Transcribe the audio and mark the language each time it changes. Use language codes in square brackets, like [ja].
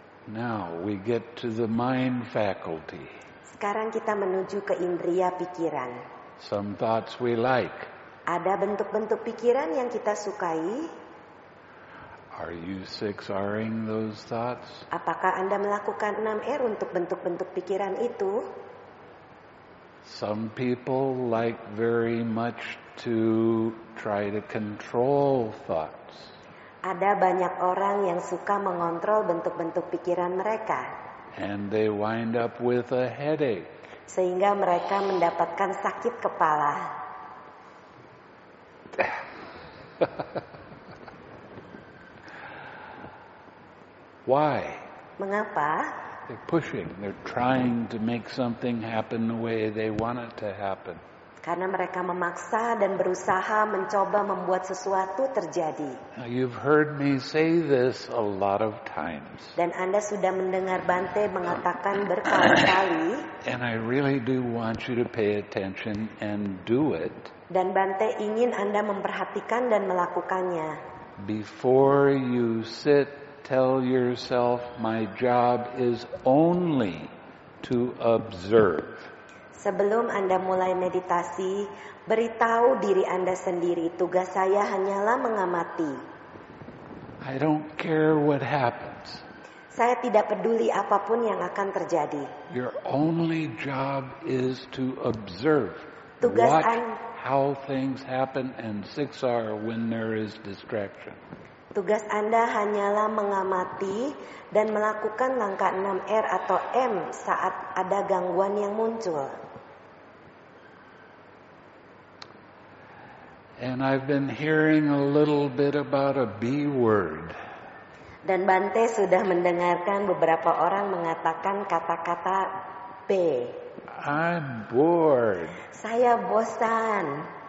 [en] Now we get to the mind faculty. [id] Sekarang kita menuju ke indria pikiran. [en] Some thoughts we like. [id] Ada bentuk-bentuk pikiran yang kita sukai. [en] Are you 6R-ing those thoughts? [id] Apakah Anda melakukan 6R untuk bentuk-bentuk pikiran itu? [en] Some people like very much to try to control thoughts. [id] Ada banyak orang yang suka mengontrol bentuk-bentuk pikiran mereka. [en] And they wind up with a headache. [id] Sehingga mereka mendapatkan sakit kepala. [en] Why? [id] Mengapa? [en] They're pushing. They're trying to make something happen the way they want it to happen. [id] Karena mereka memaksa dan berusaha mencoba membuat sesuatu terjadi. [en] Now you've heard me say this a lot of times. [id] Dan Anda sudah mendengar Bante mengatakan berkali-kali. [en] And I really do want you to pay attention and do it. [id] Dan Bante ingin Anda memperhatikan dan melakukannya. [en] Before you sit, tell yourself, my job is only to observe. [id] Sebelum Anda mulai meditasi, beritahu diri Anda sendiri, tugas saya hanyalah mengamati. [en] I don't care what happens. [id] Saya tidak peduli apapun yang akan terjadi. [en] Your only job is to observe. [id] Tugas [en] watch how things happen and six are when there is distraction. [id] Tugas Anda hanyalah mengamati dan melakukan langkah 6R atau M saat ada gangguan yang muncul. [en] And I've been hearing a little bit about a B word. [id] Dan Bante sudah mendengarkan beberapa orang mengatakan kata-kata B. [en] I'm bored. [id] Saya bosan.